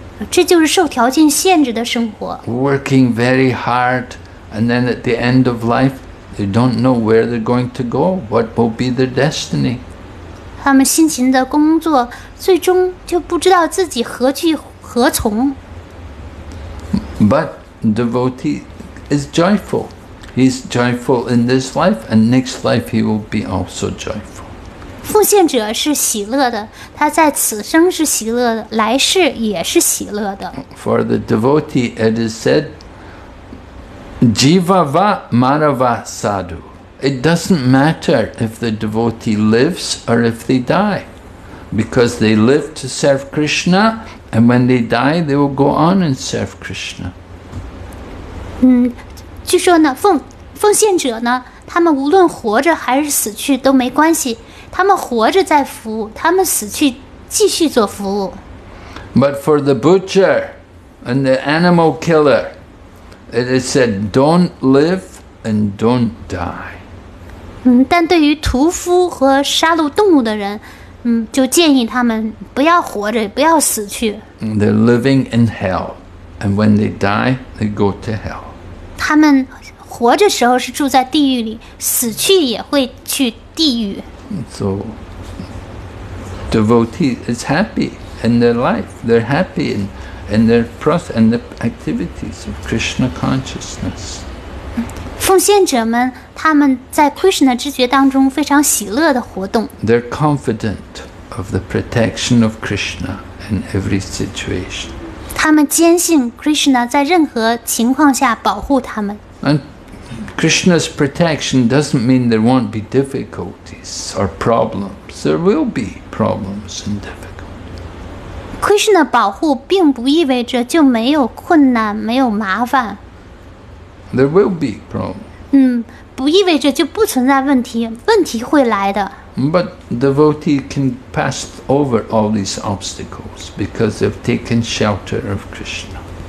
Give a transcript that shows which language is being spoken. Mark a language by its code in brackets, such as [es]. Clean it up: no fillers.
[zh] 这就是受条件限制的生活。 [en] Working very hard, and then at the end of life, they don't know where they're going to go, what will be their destiny. [zh] 他们辛勤的工作，最终就不知道自己何去何从。 [en] But devotee is joyful. He's joyful in this life, and next life he will be also joyful. [zh] 奉献者是喜乐的，他在此生是喜乐的，来世也是喜乐的。 [en] For the devotee, it is said, "Jiva va marava sadhu." It doesn't matter if the devotee lives or if they die, because they live to serve Krishna, and when they die, they will go on and serve Krishna. [zh] 据说呢，奉献者呢，他们无论活着还是死去都没关系，他们活着在服务，他们死去继续做服务。 [en] But for the butcher and the animal killer, it is said, "Don't live and don't die." [zh] 但对于屠夫和杀戮动物的人，就建议他们不要活着，不要死去。 [en] They're living in hell, and when they die, they go to hell. [zh] 他们活着时候是住在地狱里，死去也会去地狱。 [en] So, devotee is happy in their life. They're happy, and and the process and the activities of Krishna consciousness. [zh] 奉献者们, 他们在 Krishna 知觉当中 非常喜乐的活动。 [en] They're confident of the protection of Krishna in every situation. [zh] 他们坚信 Krishna 在任何情况下 保护他们。 [en] And Krishna's protection doesn't mean there won't be difficulties or problems. There will be problems and difficulties. [zh] Krishna 保护并不意味着就没有困难，没有麻烦。 [en] There will be problems. [zh] 不意味着就不存在问题，问题会来的。 [en] But devotee can pass over all these obstacles because they've taken shelter of Krishna.